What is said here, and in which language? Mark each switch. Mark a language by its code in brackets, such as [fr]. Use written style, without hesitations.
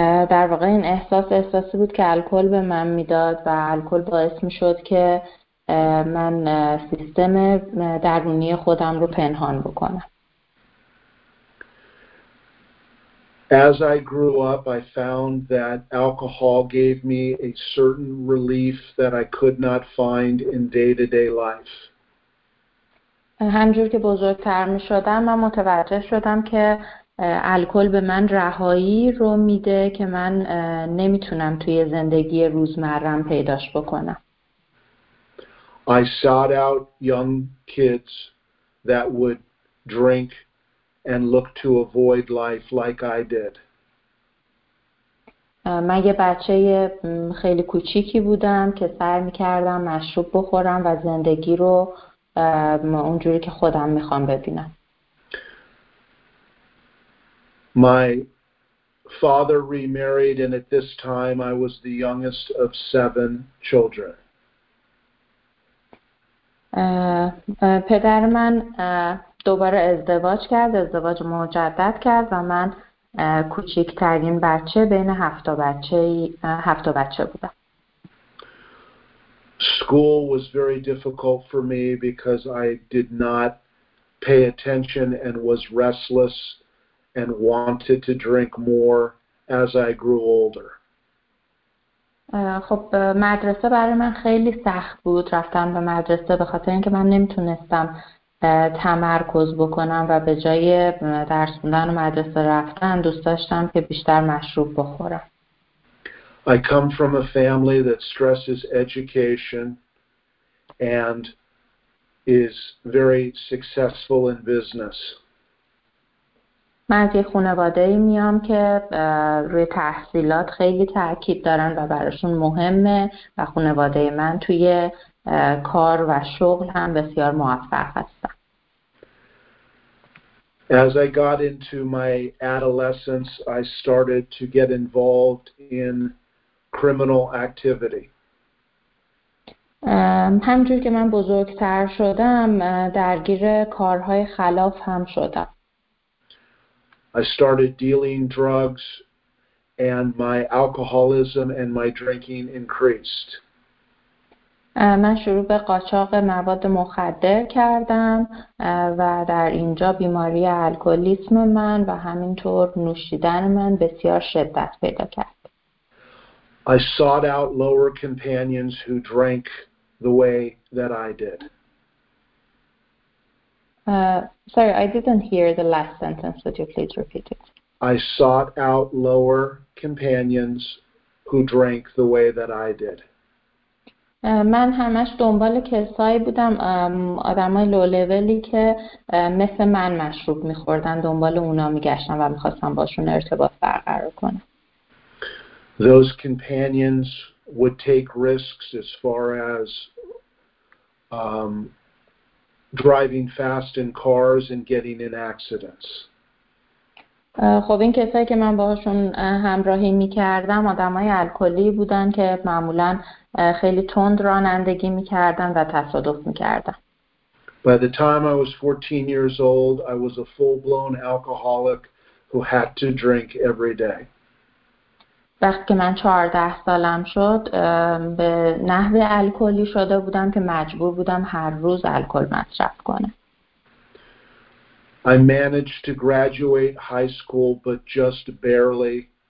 [fa] در واقع این احساسی بود که الکل به من میداد و الکل باعث میشد که من سیستم درونی خودم رو پنهان بکنم. [en] As I grew up, I found that alcohol gave me a certain relief that I could not find in day-to-day life. [fa] همجور که بزرگتر می شدم من متوجه شدم که الکل به من رهایی رو میده که من نمیتونم توی زندگی روزمره‌ام پیداش بکنم. [en] I sought out young kids that would drink and look to avoid life like I did. [fa] من یه بچه خیلی کوچیکی بودم که سعی می‌کردم مشروب بخورم و زندگی رو اونجوری که خودم می‌خوام ببینم. [en] My father remarried, and at this time I was the youngest of 7 children. [fa] پدر من دوباره ازدواج کرد، ازدواج مجدد کرد و من کوچکترین بچه بین 7 بچه بودم. [en] School was very difficult for me because I did not pay attention and was restless and wanted to drink more as I grew older. [fa] خب مدرسه برای من خیلی سخت بود رفتن به مدرسه به خاطر اینکه من نمیتونستم تمرکز بکنم و به جای درس خوندن و مدرسه رفتن دوست داشتم که بیشتر مشروب بخورم. [en] I come from a family that stresses education and is very successful in business. [fa] من از یه خانواده میام که روی تحصیلات خیلی تاکید دارن و براشون مهمه و خانواده من توی کار و شغل هم بسیار موفق هستن. [en] As I got into my adolescence, I started to get involved in criminal activity. [fa] همجور که من بزرگتر شدم درگیر کارهای خلاف هم شدم. [en] I started dealing drugs and my alcoholism and my drinking increased. [fa] من شروع به قاچاق مواد مخدر کردم و در اینجا بیماری الکلیسم من و همینطور نوشیدن من بسیار شدت پیدا کرد. [en] I sought out lower companions who drank the way that I did. Sorry, I didn't hear the last sentence. Would you please repeat it? I sought out lower companions who drank the way that I did. [fa] من همش دنبال کسایی بودم آدمای لو لولی که مثل من مشروب می‌خوردن دنبال اونا می‌گشتم و می‌خواستم باشون ارتباط برقرار کنم. [en] Those companions would take risks as far as driving fast in cars and getting in accidents. [fa] خب این کسایی که من باهاشون همراهی می‌کردم آدمای الکلی بودن که معمولاً خیلی تند رانندگی می‌کردن و تصادف می‌کردن. [en] By the time I was 14 years old, I was a full-blown alcoholic who had to drink every day. [fa] وقتی که من 14 سالم شد به نحو الکلی شده بودم که مجبور بودم هر روز الکل مصرف کنم. [en] I managed to graduate high school but just barely.